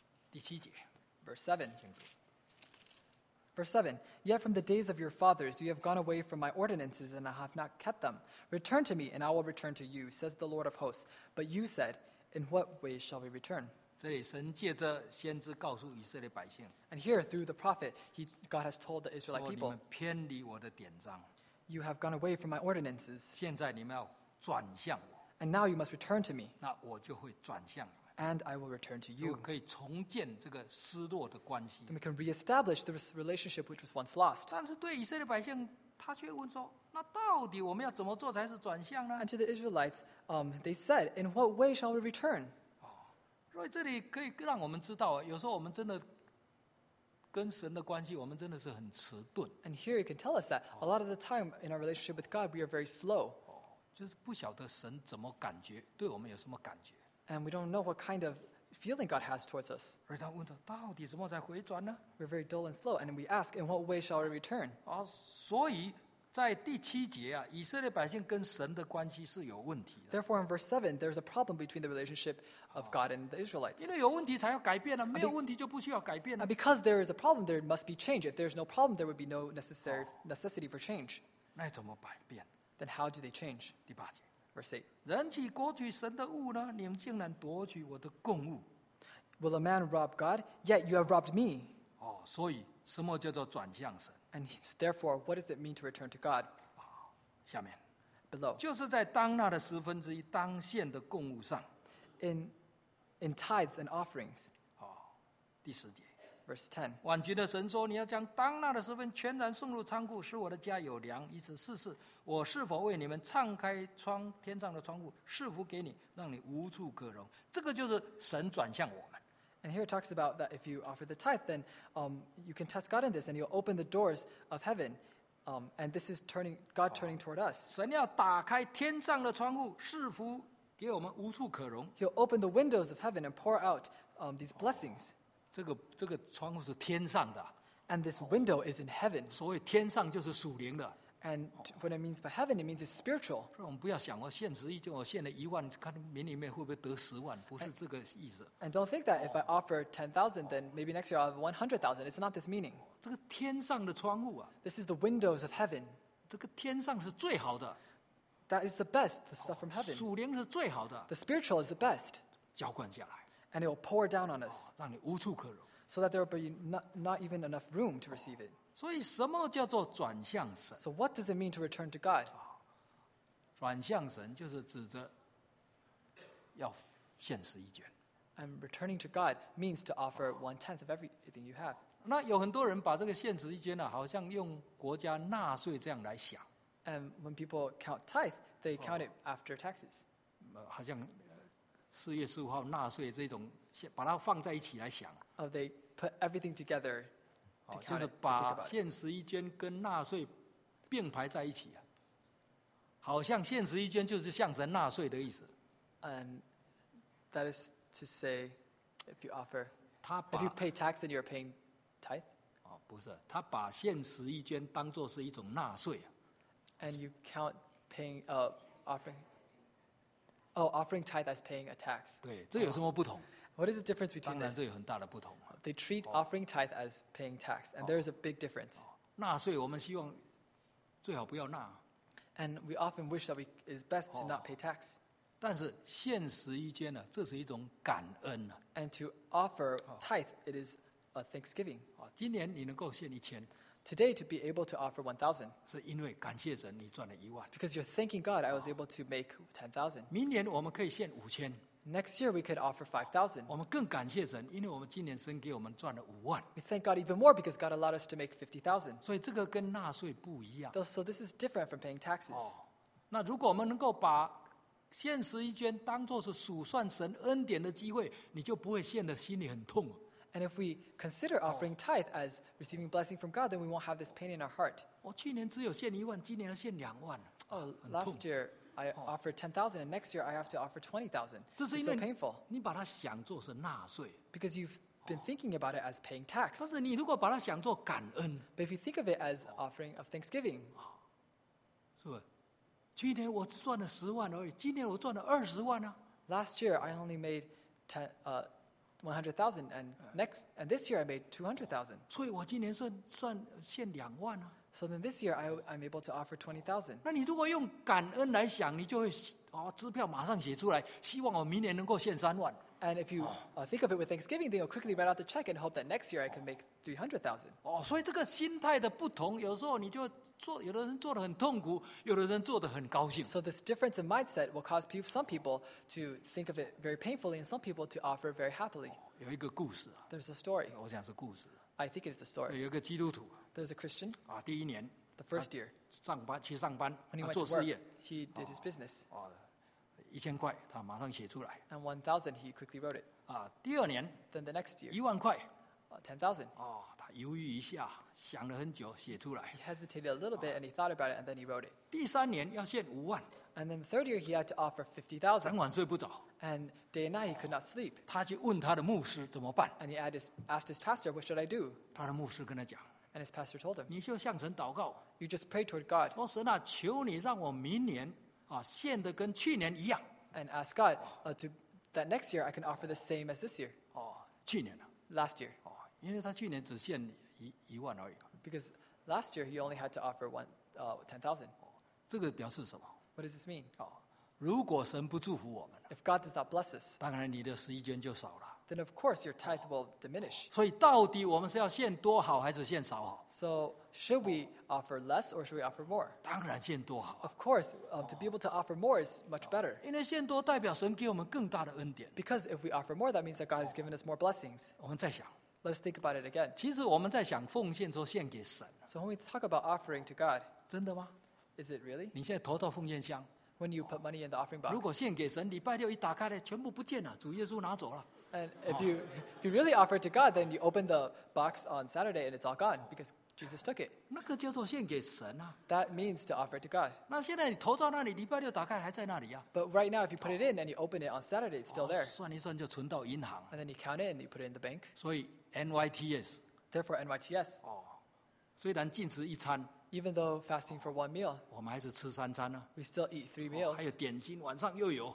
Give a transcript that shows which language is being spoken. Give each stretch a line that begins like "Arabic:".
Chinese: 第七节。
English: Verse 7. Verse 7, Yet from the days of your fathers you have gone away from my ordinances, and I have not kept them. Return to me, and I will return to you, says the Lord of hosts. But you said, In what way shall we return?
Chinese: 这里神借着先知告诉以色列百姓。
English: And here, through the prophet, God has told the Israelite people,
Chinese: 说你们偏离我的典章。
English: You have gone away from my ordinances.
Chinese: 现在你们要转向我。
English: And now you must return to me.
Chinese: 那我就会转向你。
English: And I will return to you.
Chinese: 可以重建这个失落的关系。
English: Then we can reestablish the relationship which was once lost.
Chinese: 但是对以色列百姓，他却问说：“那到底我们要怎么做才是转向呢？”
English: And to the Israelites, they said, "In what way shall we return?"
Chinese: 所以这里可以让我们知道，有时候我们真的跟神的关系，我们真的是很迟钝。
English: And here you can tell us that a lot of the time in our relationship with God, we are very slow.
Chinese: 就是不晓得神怎么感觉，对我们有什么感觉。
English: And we don't know what kind of feeling God has towards us.
Chinese: 而他问他到底怎么才回转呢？
English: We're very dull and slow, and we ask, in what way shall we return?
Chinese: 所以在第七节啊，以色列百姓跟神的关系是有问题的。
English: Therefore, in verse 7, there's a problem between the relationship of God and the Israelites.
Chinese: 因为有问题才要改变啊，没有问题就不需要改变啊。
English: And because there is a problem, there must be change. If there's no problem, there would be no necessity for change.
Chinese: 那怎么改变？
English: Then how do they change?
Chinese: 第八节。
English: Verse 8.
Chinese: 人岂夺取神的物呢？你们竟然夺取我的供物。
English: Will a man rob God? Yet you have robbed me.
Chinese: 所以什么叫做转向神？
English: And therefore, what does it mean to return to God?
Chinese: 下面。
English: Below.
Chinese: 就是在当纳的十分之一当献的供物上。
English: In tithes and offerings.
Chinese: 第十节。
English: Verse 10.
Chinese: 万军的神说，你要将当纳的十分全然送入仓库，使我的家有粮，以此试试我是否为你们敞开窗天上的窗户，赐福给你，让你无处可容。这个就是神转向我们。
English: And here it talks about that if you offer the tithe, then you can test God in this, and you'll open the doors of heaven. And this is God turning toward us.
Chinese: 神要打开天上的窗户，赐福给我们无处可容。
English: He'll open the windows of heaven and pour out these blessings.
Chinese: 这个窗户是天上的。
English: And this window is in heaven.
Chinese: 所谓天上就是属灵的。
English: And what it means by heaven, it means it's spiritual.
Chinese: 我们不要想我献十亿，就我献了一万，看明年会不会得十万，不是这个意思。
English: And don't think that if I offer 10,000, then maybe next year I'll have 100,000. It's not this meaning.
Chinese: 这个天上的窗户啊。
English: This is the windows of heaven.
Chinese: 这个天上是最好的。
English: That is the best, the stuff from heaven.
Chinese: 属灵是最好的。
English: The spiritual is the best.
Chinese: 浇灌下来。
English: And it will pour down on us.
Chinese: 让你无处可容。
English: So that there will be not even enough room to receive it.
Chinese: 所以什么叫做转向神？
English: So what does it mean to return to God?
Chinese: 转向神就是指着要献十一卷。
English: And returning to God means to offer one tenth of everything you have.
Chinese: 那有很多人把这个献十一卷呢，好像用国家纳税这样来想。
English: And when people count tithe, they count it after taxes.
Chinese: 好像四月十五号纳税这种，把它放在一起来想。
English: Oh, they put everything together to count it,
Chinese: 就是把献十一捐跟纳税并排在一起、啊、好像献十一捐就是向神纳税的意思。
English: And that is to say, if you offer,
Chinese: 他把
English: if you pay tax, then you're paying tithe.
Chinese: 不是，他把献十一捐当作是一种纳税、啊。
English: And you count paying offering. Oh, offering tithe as paying a tax.
Chinese: 对，这有什么不同？
English: What is the difference between this?
Chinese: 当然这有很大的不同。
English: They treat offering tithe as paying tax, and there is a big difference.
Chinese: 纳税我们希望最好不要纳。
English: And we often wish that it is best to not pay tax.
Chinese: 但是现实一间呢，这是一种感恩呢。
English: And to offer tithe, it is a thanksgiving.
Chinese: 今年你能够献一千。
English: Today to be able to offer 1,000.
Chinese: 是因为感谢神，你赚了一万。
English: It's because you're thanking God, I was able to make 10,000.
Chinese: 明年我们可以献五千。
English: Next year we could offer 5,000.
Chinese: 我们更感谢神，因为我们今年神给我们赚了五万。
English: We thank God even more because God allowed us to make 50,000.
Chinese: 所以这个跟纳税不一样。
English: So this is different from paying taxes.
Chinese: 那如果我们能够把现实一捐当作是数算神恩典的机会，你就不会陷得心里很痛。
English: And if we consider offering tithe as receiving blessing from God, then we won't have this pain in our heart.
Chinese: 我去年只有献一万，今年要献两万。
English: Last year I offered 10,000, and next year I have to offer 20,000. It's so painful.
Chinese: 你把它想作是纳税。
English: Because you've been thinking about it as paying tax.
Chinese: 但是你如果把它想作感恩。
English: But if you think of it as offering of thanksgiving.
Chinese: 是吧？去年我只赚了十万而已，今年我赚了二十万呢。
English: Last year I only made 100,000, and this year I made 200,000.
Chinese: 所以我今年算献两万呢。
English: So then this year I'm able to offer 20,000.
Chinese: 那你如果用感恩来想，你就会支票马上写出来，希望我明年能够献三万。
English: And if you think of it with Thanksgiving, then you'll quickly write out the check and hope that next year I can make 300,000.
Chinese: 所以这个心态的不同，有时候你就。有的人做得很痛苦，有的人做得很高兴。
English: So this difference in mindset will cause some people to think of it very painfully and some people to offer very happily.
Chinese: 有一个故事。
English: There's a story.
Chinese: 我想是故事。
English: I think it's the story.
Chinese: 有一个基督徒。
English: There's a Christian.
Chinese: 第一年。
English: The first year.
Chinese: 去上班。
English: When he went to work, he did his business.
Chinese: 一千块，他马上写出来。
English: And 1,000, he quickly wrote it.
Chinese: 第二年。
English: Then the next year.
Chinese: 一万块。
English: 10,000.
Chinese: 犹豫一下，想了很久，写出来。
English: He hesitated a little bit, and he thought about it, and then he wrote it.
Chinese: 第三年要献五万。
English: And then the third year, he had to offer 50,000.
Chinese: 整晚睡不着。
English: And day and night, he could not sleep.
Chinese: 他去问他的牧师怎么办。
English: And he asked his pastor, "What should I do?"
Chinese: 他的牧师跟他讲。
English: And his pastor told him,
Chinese: 你就向神祷告。
English: You just pray toward God.
Chinese: 说神啊，求你让我明年献的跟去年一样。
English: And ask God that next year I can offer the same as this year.
Chinese: 去年啊。
English: Last year.
Chinese: 因为他去年只献一万而已。
English: Because last year he only had to offer 10,000.
Chinese: 这个表示什么
English: ？What does this mean？
Chinese: 如果神不祝福我们
English: ，If God does not bless us，
Chinese: 当然你的十一捐就少了。
English: Then of course your tithe will diminish。
Chinese: 所以到底我们是要献多好还是献少好
English: ？So should we offer less or should we offer more？
Chinese: 当然献多好。
English: Of course, to be able to offer more is much better。
Chinese: 因为献多代表神给我们更大的恩典。
English: Because if we offer more, that means that God has given us more blessings。
Chinese: 我们再想。
English: Let's think about it again.
Chinese: 其实我们在想奉献说献给神。
English: So when we talk about offering to God,
Chinese: 真的吗
English: ？Is it really?
Chinese: 你现在投到奉献箱。
English: When you put money in the offering box.
Chinese: 如果献给神，礼拜六一打开来，全部不见了，主耶稣拿走了。
English: And if you really offer to God, then you open the box on Saturday and it's all gone because Jesus took it.
Chinese: 那个叫做献给神啊。
English: That means to offer to God.
Chinese: 那现在你投到那里，礼拜六打开还在那里呀。
English: But right now, if you put it in and you open it on Saturday, it's still there.
Chinese: 算一算就存到银行。
English: And then you count it and you put it in the bank.
Chinese: 所以。NYTS.
English: Therefore, NYTS.
Chinese: 虽然禁食一餐
English: Even though fasting for one meal,
Chinese: 我们还是吃三餐啊。
English: We still eat three meals.
Chinese: 还有点心，晚上又有。